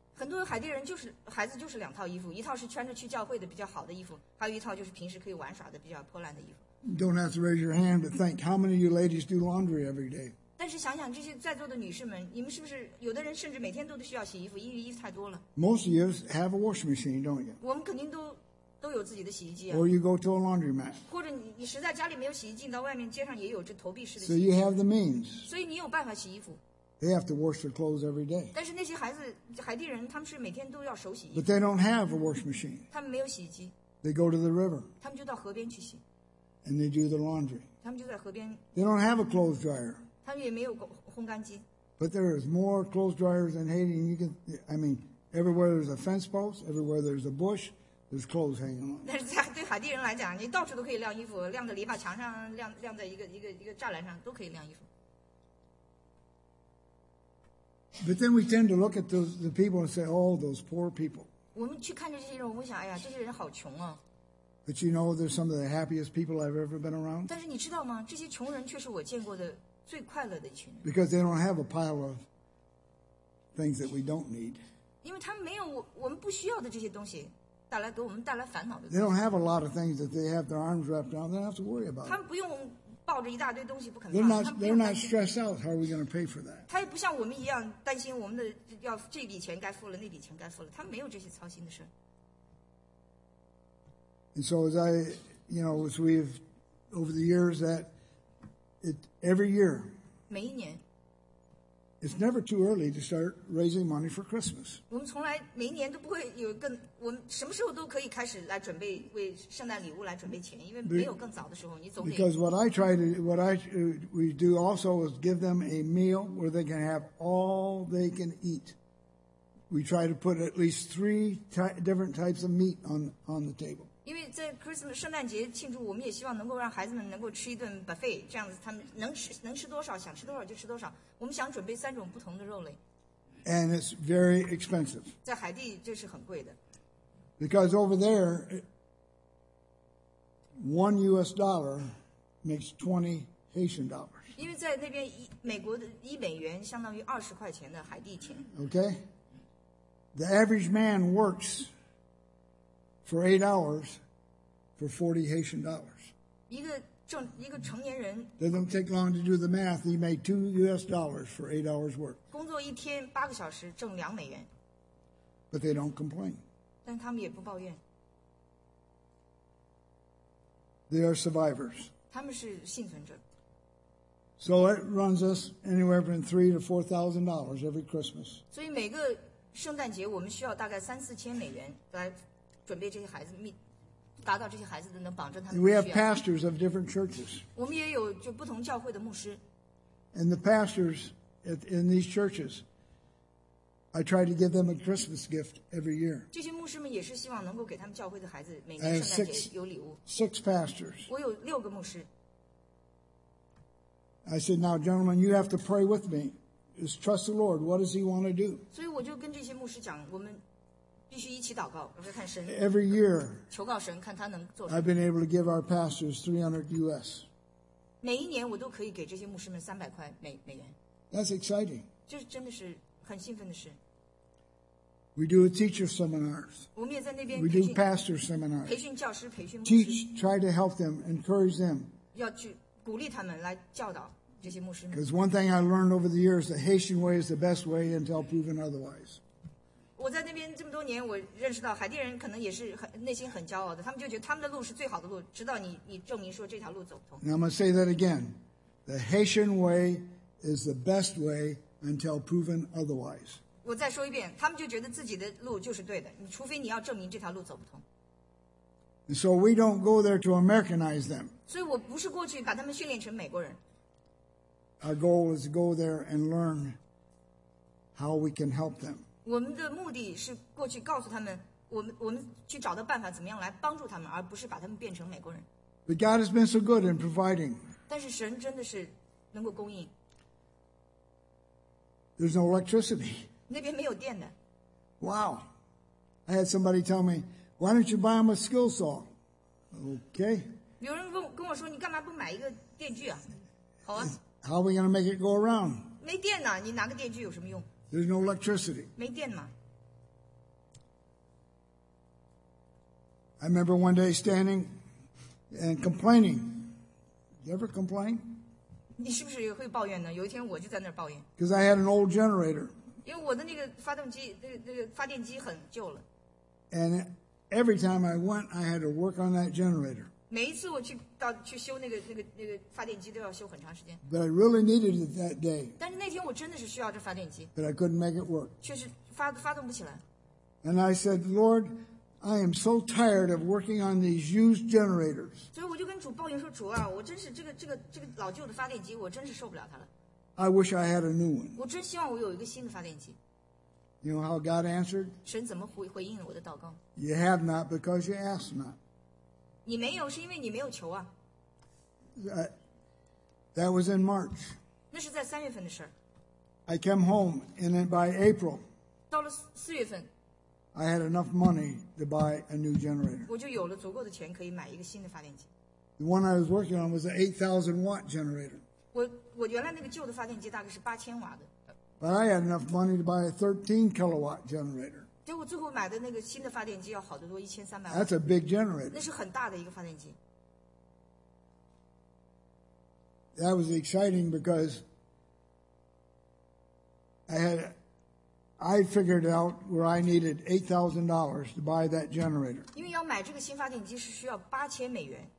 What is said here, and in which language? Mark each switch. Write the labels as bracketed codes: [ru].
[en] Don't have to raise your hand, but think, how many of you ladies do laundry every day? Most of you have a washing machine, don't you? [zh] 都有自己的洗衣机啊。 [en] Or you go to a laundromat. [zh] 或者你实在家里没有洗衣机，到外面街上也有这投币式的洗衣机。 [en] So you have the means. [zh] 所以你有办法洗衣服。 [en] They have to wash their clothes every day. [zh] 但是那些孩子，海地人，他们是每天都要手洗衣服。 [en] But they don't have a washing machine. [zh] 他们没有洗衣机。 [en] They go to the river. [zh] 他们就到河边去洗。 [en] And they do the laundry. [zh] 他们就在河边。 [en] They don't have a clothes dryer. [zh] 他们也没有烘干机。 [en] But there is more clothes dryers in Haiti. And you can, I mean, everywhere there's a fence post, everywhere there's a bush, there's clothes hanging on. [zh] 但是在对海地人来讲，你到处都可以晾衣服，晾在篱笆墙上，晾在一个栅栏上，都可以晾衣服。 [en] But then we tend to look at the people and say, "Oh, those poor people." [zh] 我们去看着这些人，我们想，哎呀，这些人好穷啊。 [en] But you know, they're some of the happiest people I've ever been around. [zh] 但是你知道吗？这些穷人却是我见过的最快乐的一群人。 [en] Because they don't have a pile of things that we don't need. [zh] 因为他们没有我们不需要的这些东西，带来给我们带来烦恼的东西。 [en] They don't have a lot of things that they have their arms wrapped around. They don't have to worry about. [zh] 他们不用。抱着一大堆东西不肯。 [en] They're not stressed out. How are we going to pay for that? [zh] 他也不像我们一样担心我们的要这笔钱该付了，那笔钱该付了。他没有这些操心的事。 [en] And so as I, you know, as we've over the years that it every year. [zh] 每一年。 [en] It's never too early to start raising money for Christmas. [zh] 我们从来每一年都不会有更，我们什么时候都可以开始来准备为圣诞礼物来准备钱，因为没有更早的时候，你总得。 [en] Because what we do also is give them a meal where they can have all they can eat. We try to put at least three different types of meat on the table. [zh] 因为在 Christmas 圣诞节庆祝，我们也希望能够让孩子们能够吃一顿 buffet， 这样子他们能吃多少，想吃多少就吃多少。我们想准备三种不同的肉类。 [en] And it's very expensive. [zh] 在海地这是很贵的。 [en] Because over there, one U.S. dollar makes 20 Haitian dollars. [zh] 因为在那边美国的一美元相当于二十块钱的海地钱。 [en] Okay. The average man works for 8 hours for 40 Haitian dollars. [zh] 一个成年人 [en] doesn't take long to do the math. He made $2 for 8 hours work. [zh] 工作一天八个小时挣$2. [en] But they don't complain. [zh] 但他们也不抱怨。 [en] They are survivors. [zh] 他们是幸存者。 [en] So it runs us anywhere from $3,000 to $4,000 every Christmas. [zh] 所以每个圣诞节我们需要大概$3,000-$4,000来准备这些孩子命。达到这些孩子的能保证他们。 [en] We have pastors of different churches. [zh] 我们也有就不同教会的牧师。 [en] And the pastors in these churches, I try to give them a Christmas gift every year. [zh] 这些牧师们也是希望能够给他们教会的孩子每年圣诞节有礼物。 [en] Six pastors. [zh] 我有六个牧师。 [en] I said, now, gentlemen, you have to pray with me. Just trust the Lord. What does He want to do? [zh] 所以我就跟这些牧师讲，我们。 [en] Every year, [zh] 求告神看他能做什么。 [en] I've been able to give our pastors $300. [zh] 每一年我都可以给这些牧师们$300美元。 [en] That's exciting. [zh] 这真的是很兴奋的事。 [en] We do a teacher seminars. [zh] 我们也在那边。 [en] We do pastor seminars. [zh] 培训教师，培训牧师。 [en] Teach, try to help them, encourage them. [zh] 要去鼓励他们来教导。这些牧师们。 [en] Because one thing I learned over the years, the Haitian way is the best way until proven otherwise. [zh] 我在那边这么多年，我认识到海地人可能也是很内心很骄傲的，他们就觉得他们的路是最好的路，直到你证明说这条路走不通。 [en] Now I'm going to say that again. The Haitian way is the best way until proven otherwise. [zh] 我再说一遍，他们就觉得自己的路就是对的，除非你要证明这条路走不通。 [en] And so we don't go there to Americanize them. [zh] 所以我不是过去把他们训练成美国人。 [en] Our goal is to go there and learn how we can help them. [zh] 我们的目的是过去告诉他们我们去找的办法怎么样来帮助他们而不是把他们变成美国人。 [en] But God has been so good in providing. [zh] 但是神真的是能够供应。 [en] There's no electricity. [zh] 那边没有电的。 [en] Wow. I had somebody tell me, why don't you buy them a skill saw? Okay. [zh] 有人跟我说你干嘛不买一个电锯啊好啊。 [en] How are we going to make it go around? [zh] 没电呢你拿个电锯有什么用 [en] There's no electricity. [zh] 没电吗 [en] I remember one day standing and complaining. You ever complain? [zh] 你是不是也会抱怨呢？有一天我就在那儿抱怨。 [en] Because I had an old generator. [zh] 因为我的那个发动机，那个发电机很旧了。 [en] And Every time I went, I had to work on that generator. [zh] 每一次我去到去修那个发电机都要修很长时间。 [en] But I really needed it that day. [zh] 但是那天我真的是需要这发电机。 [en] But I couldn't make it work. [zh] 确实发动不起来。 [en] And I said, Lord, I am so tired of working on these used generators. [zh] 所以我就跟主抱怨说，主啊，我真是这个老旧的发电机，我真是受不了它了。 [en] I wish I had a new one. [zh] 我真希望我有一个新的发电机。 [en] You know how God answered? [zh] 神怎么回应了我的祷告？ [en] You have not because you asked not. [zh] 你没有是因为你没有求啊。 [en] That was in March. [zh] 那是在三月份的事。 [en] I came home and then by April. [zh] 到了四月份。 [en] I had enough money to buy a new generator. [zh] 我就有了足够的钱可以买一个新的发电机。 [en] The one I was working on was an 8,000 watt generator. [zh] 我原来那个旧的发电机大概是八千瓦的。 [en] But I had enough money to buy a 13 kilowatt generator. [zh] 对，我最后买的那个新的发电机要好得多，1300瓦。 [en] That's a big generator. [zh] 那是很大的一个发电机。 [en] That was exciting because I figured out where I needed $8,000 to buy that generator. [zh] 因为要买这个新发电机是需要八千美元。